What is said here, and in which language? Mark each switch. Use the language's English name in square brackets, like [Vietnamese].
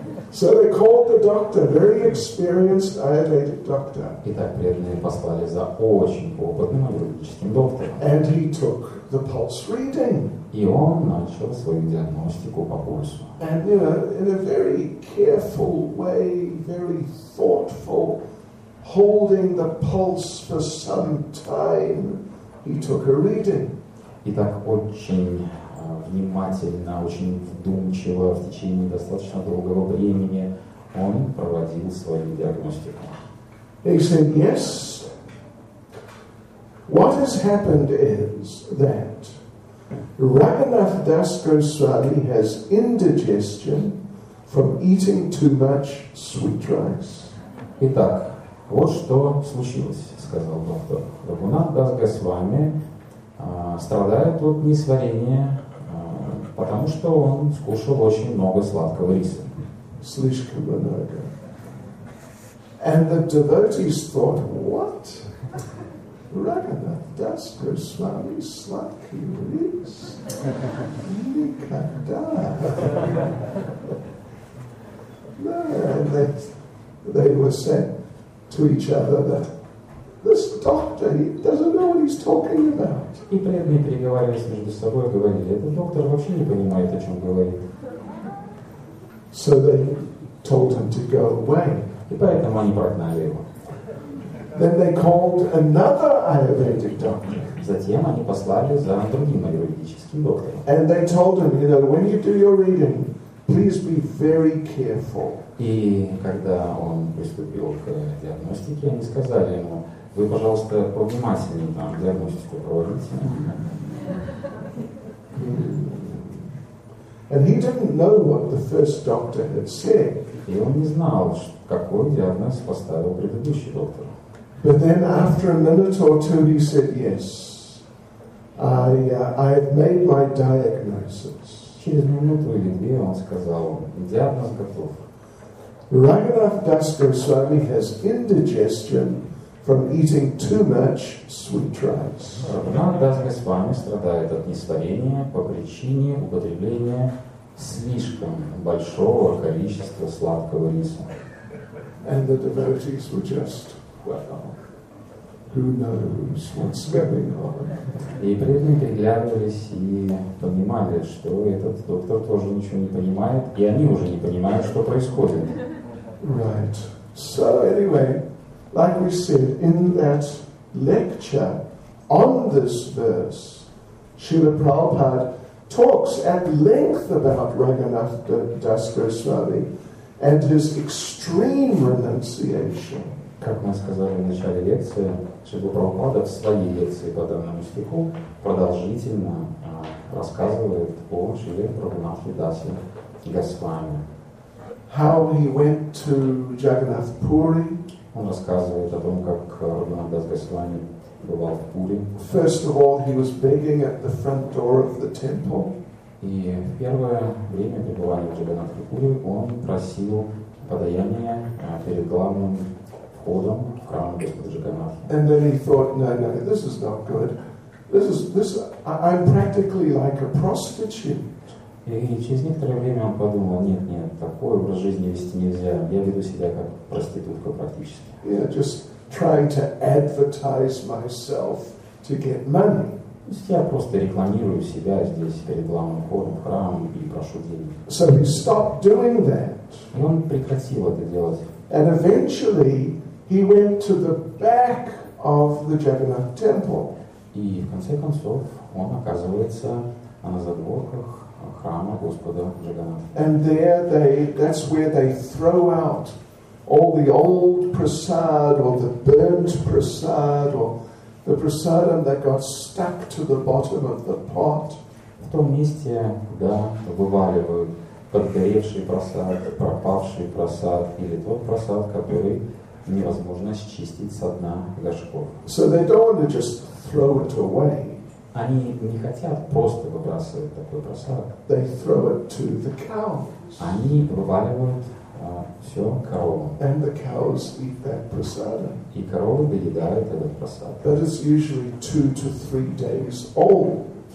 [English] So they called the doctor, very experienced Ayurvedic doctor. [Russian] Итак, преданные послали за очень опытным аюрведическим доктором. [English] And he took the pulse reading. [Russian] И он начал свою диагностику по пульсу. [English] And you know, in a very careful way, very thoughtful, holding the pulse for some time, he took a reading. [Russian] Итак, очень внимательно, очень вдумчиво, в течение достаточно долгого времени он проводил свою диагностику. [English] He said, yes. What has happened is that Raghunath Das Goswami has indigestion from eating too much sweet rice. [Russian] Итак, вот что случилось, сказал доктор. Раганат Дас Госвами страдает от несварения, потому что он скушал очень много сладкого риса. Слишком много. [English] And the devotees thought, what? [Russian] Raghunath Das Goswami, сладкий рис? Никогда. [English] No, and they were said to each other that this doctor, he doesn't know what he's talking about. [Russian] И преданные переговаривались между собой, говорили, этот доктор вообще не понимает, о чем говорит. [English] So they told him to go away. [Russian] И поэтому они прогнали его. [English] Then they called another Ayurvedic doctor. [Russian] Затем они послали за другим аюрведическим доктором. [English] And they told him, you know, when you do your reading, please be very careful. [Russian] И когда он приступил к диагностике, они сказали ему, вы, пожалуйста, повнимательнее там диагностику проводите. [English] And he didn't know what the first doctor had said. [Russian] И он не знал, какой диагноз поставил предыдущий доктор. [English] But then after a minute or two, he said, yes, I have made my diagnosis. [Russian] Через минуту или две он сказал, диагноз готов. [English] Raghunath Das Goswami has indigestion from eating too much sweet rice. [Russian] Раганат Дас Госвами страдает от несварения по причине употребления слишком большого количества сладкого риса. [English] And the devotees were just, who knows what's going on? [Russian] И преданные переглядывались и понимали, что этот доктор тоже ничего не понимает, и они уже не понимают, что происходит. [English] Right. So anyway, like we said in that lecture on this verse, Srila Prabhupada talks at length about Raghunath Das Goswami and his extreme renunciation. [Russian] Как мы сказали в начале лекции, Шрила Прабхупада в своей лекции по данному стиху продолжительно рассказывает о Шриле Прабхунатхе Дасе Госвами. [English] How he went to Jagannath Puri. [Russian] Он рассказывает о том, как Прабхунатх Дас Госвами бывал в Пури. [English] First of all, he was begging at the front door of the temple. [Russian] И в первое время пребывания в Джаганнатхе Пури он просил подаяния перед главным входом в храм Господа Джаганнатхи. [English] And then he thought, no, this is not good. I'm practically like a prostitute. [Russian] И через некоторое время он подумал, нет, такой образ жизни вести нельзя, я веду себя как проститутка практически. [English] Yeah, just trying to advertise myself to get money. [Russian] То есть я просто рекламирую себя здесь перед главным входом в храм и прошу денег. [English] So he stopped doing that. [Russian] И он прекратил это делать. [English] And eventually he went to the back of the Jagannath temple. [Russian] И в конце концов он оказывается на задворках храма Господа Джаганнатха. [English] And there that's where they throw out all the old prasad or the burnt prasad or the prasadam that got stuck to the bottom of the pot. [Russian] В том месте, куда вываливают подгоревший прасад, пропавший прасад или тот прасад, который невозможно счистить со дна горшков. [English] So they don't want to just throw it away. [Russian] Они не хотят просто выбрасывать такой просад. [English] They throw it to the cows. [Russian] Они вываливают все коровам. [English] And the cows eat that prasad. [Russian] И коровы доедают этот просад. [English] That is usually 2 to 3 days old.